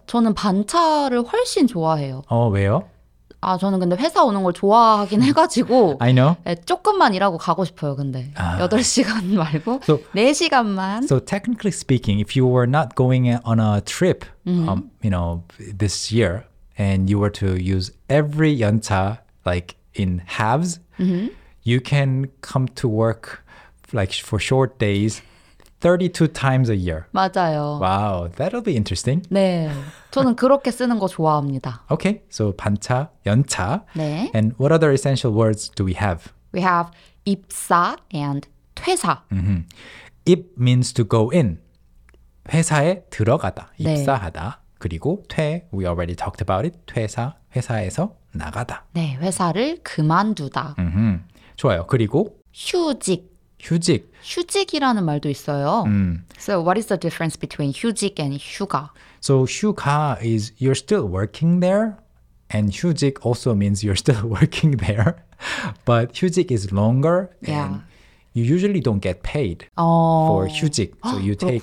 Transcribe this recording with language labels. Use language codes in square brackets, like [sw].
[ko] 저는 반차를 훨씬 좋아해요. 어, 왜요? 아, 저는 근데 회사 오는 걸 좋아하긴 해가지고 [en] I know. [ko] 네, 조금만 일하고 가고 싶어요, 근데. 아. 8시간 말고 [en] so, [ko] 4시간만. [en] So technically speaking, if you were not going on a trip, you know, this year, and you were to use every 연차, like in halves, mm-hmm. you can come to work like for short days 32 times a year. [ko] 맞아요. [en] Wow, that'll be interesting. [ko] 네, 저는 그렇게 쓰는 거 좋아합니다. [en] Okay, so 반차, 연차. [ko] 네. [en] And what other essential words do we have? We have 입사 and 퇴사. Mm-hmm. 입 means to go in. [ko] 회사에 들어가다, 입사하다. 네. 그리고 퇴, [en] we already talked about it. [ko] 퇴사, 회사에서 나가다. 네, 회사를 그만두다. Mm-hmm. 좋아요. 그리고 휴직. 휴직. 휴직이라는 말도 있어요. [en] So what is the difference between 휴직 and 휴가? So 휴가 is you're still working there and 휴직 also means you're still working there. But 휴직 is longer and you usually don't get paid for 휴직. So you take